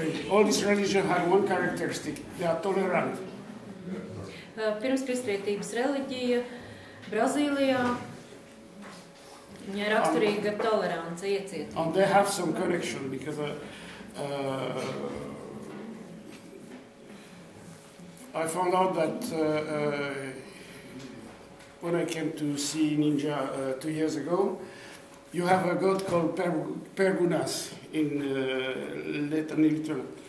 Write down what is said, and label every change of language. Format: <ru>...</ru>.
<en>All this religion had one characteristic: they are tolerant.</en> <lv>Pirms kristietības reliģija Brazīlijā ir raksturīga tolerance, iecietība.</lv> <en>And they have some connection because I found out that when I came to see Ninja 2 years ago, You have a god called Pergunas in Latin literature.</en>